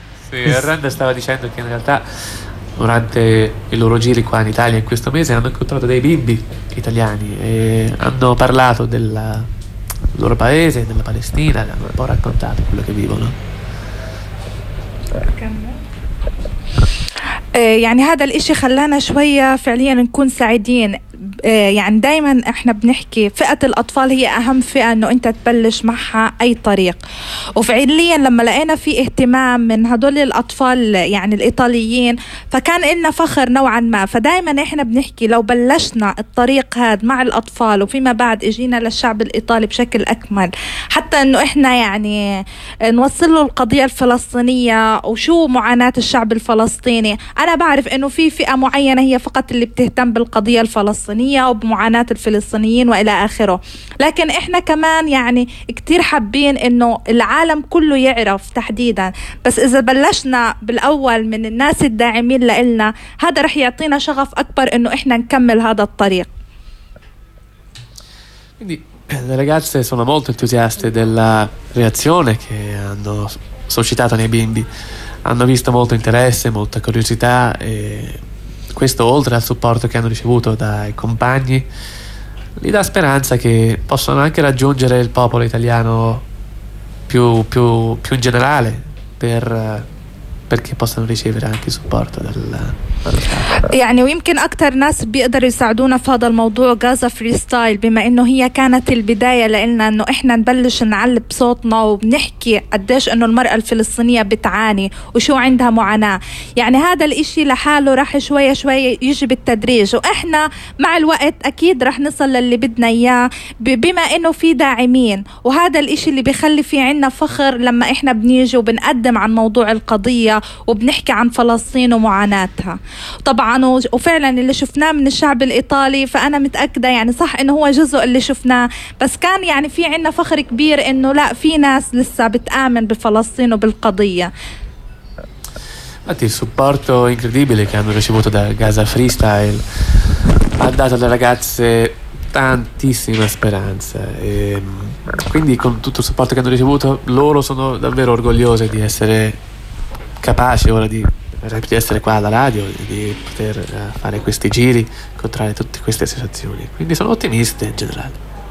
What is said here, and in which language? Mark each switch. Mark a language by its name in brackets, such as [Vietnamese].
[Italian] Sì, Rand stava dicendo che in realtà durante i loro giri qua in Italia in questo mese hanno incontrato dei bimbi italiani e hanno parlato del loro paese, della Palestina, e hanno un po' raccontato quello che vivono. [Arabic] يعني هذا الاشي خلانا شوية فعليا نكون سعيدين يعني دايما احنا بنحكي فئة الاطفال هي اهم فئة انه انت تبلش معها اي طريق وفعليا لما لقينا في اهتمام من هدول الاطفال يعني الايطاليين فكان لنا فخر نوعا ما فدايما احنا بنحكي لو بلشنا الطريق هذا مع الاطفال وفيما بعد اجينا للشعب الايطالي بشكل اكمل حتى انه احنا يعني نوصل له القضية الفلسطينية وشو معاناة الشعب الفلسطيني انا بعرف انه في فئة معينة هي فقط اللي بتهتم بالقضية الفلسطينية وبمعاناة الفلسطينيين وإلى آخره لكن إحنا كمان يعني كتير حابين إنه العالم كله يعرف تحديدا بس إذا بلشنا بالأول من الناس الداعمين لإلنا هذا رح يعطينا شغف أكبر إنه إحنا نكمل هذا الطريق [Italian] quindi le ragazze sono molto entusiaste della reazione che hanno suscitato nei bimbi hanno visto molto interesse molta curiosità e questo oltre al supporto che hanno ricevuto dai compagni gli dà speranza che possano anche raggiungere il popolo italiano più in generale perché possano ricevere anche il supporto dal [Arabic] يعني ويمكن أكتر ناس بيقدر يساعدونا في هذا الموضوع غازا فريستايل بما إنه هي كانت البداية لإلنا إنه إحنا نبلش نعلب صوتنا وبنحكي قديش إنه المرأة الفلسطينية بتعاني وشو عندها معاناة يعني هذا الإشي لحاله راح شوية شوية يجي بالتدريج وإحنا مع الوقت أكيد راح نصل للي بدنا إياه بما إنه في داعمين وهذا الإشي اللي بيخلي في عنا فخر لما إحنا بنيجي وبنقدم عن موضوع القضية وبنحكي عن فلسطين ومعاناتها طبعا وفعلا اللي شفناه من الشعب الإيطالي فأنا متأكدة يعني صح إنه هو جزء اللي شفناه بس كان يعني في عنا فخر كبير إنه لا في ناس لسه بتآمن بفلسطين وبالقضية [Italian] infatti il supporto incredibile che hanno ricevuto da Gaza Freestyle ha dato alle ragazze tantissima speranza e quindi con tutto il supporto che hanno ricevuto loro sono davvero orgogliose di essere capaci ora di essere qua alla radio di poter fare questi giri incontrare tutte queste situazioni quindi sono ottimiste in generale